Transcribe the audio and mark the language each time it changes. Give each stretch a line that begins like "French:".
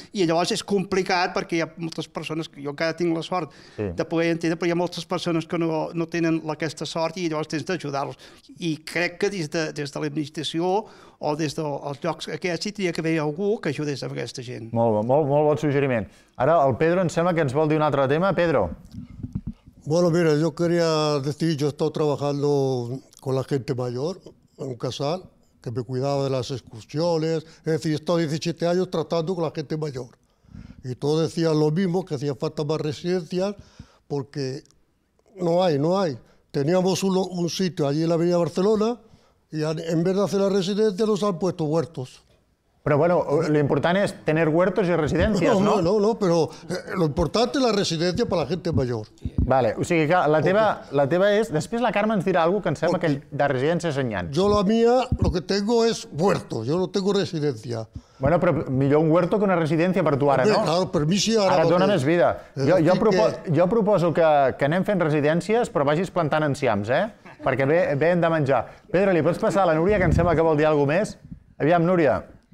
Catalan: I llavors és complicat perquè hi ha moltes persones, que jo encara tinc la sort de poder entendre, però hi ha moltes persones que no tenen aquesta sort i llavors tens d'ajudar-los. I crec que des de l'administració o des dels llocs aquests hi hauria d'haver algú que ajudés amb aquesta gent. Molt bé, molt, molt bon suggeriment. Ara el Pedro em sembla que ens vol dir un altre tema. Pedro.
Spanish: Bueno, mira, yo quería decir, yo estoy trabajando con la gente mayor, un casal que me cuidaba de las excursiones, es decir, he estado 17 años tratando con la gente mayor. Y todos decían lo mismo, que hacía falta más residencias, porque no hay, no hay. Teníamos un sitio allí en la Avenida Barcelona y en vez de hacer la residencia nos han puesto huertos. Pero bueno, lo importante es tener huertos y residencias, ¿no? No, pero lo importante es la residencia para la gente mayor.
Catalan: Vale, o sigui que la teva és... Després la Carme ens dirà alguna cosa que em sembla que de residències en llans.
Spanish: Yo la mía lo que tengo es huerto, yo no tengo residencia.
Catalan: Bueno, però millor un huerto que una residència per tu ara, no? Claro, per mi sí, ara et dona més vida. Jo proposo que anem fent residències, però vagis plantant enciams, eh? Perquè bé hem de menjar. Pedro, li pots passar a la Núria, que em sembla que vol dir alguna cosa més? Aviam, Núria.